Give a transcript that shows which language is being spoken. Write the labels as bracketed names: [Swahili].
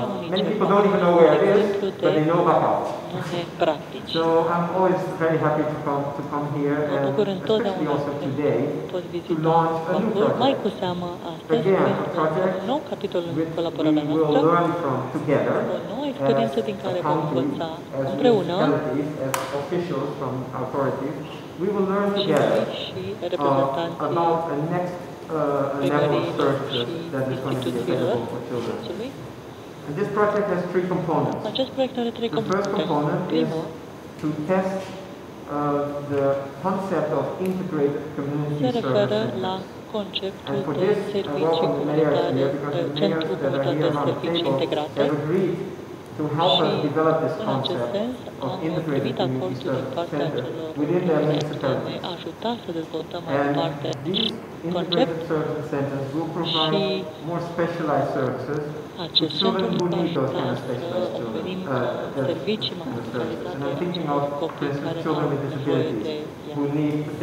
[English] Many people don't even know where it is, but they know Macau. So I'm always very happy to come here, and especially also today, to launch a new project. Again, a project which we will learn from together, [Romanian] experiență din care vom învăța împreună și reprezentanții primării și instituțiilor Consiliului. [English] And this project has three components. [Romanian] Acest proiect are trei componente. [English] The first component is to test the concept of integrated community service. And for this, welcome the mayor here, because the mayors that are here on the table have agreed to help us develop this concept of integrated community service within their municipality. And these integrated service centers will provide more specialized services. [Romanian] Acest centru nu va ajuta să oferim servicii mai specializate pentru copii care au nevoie de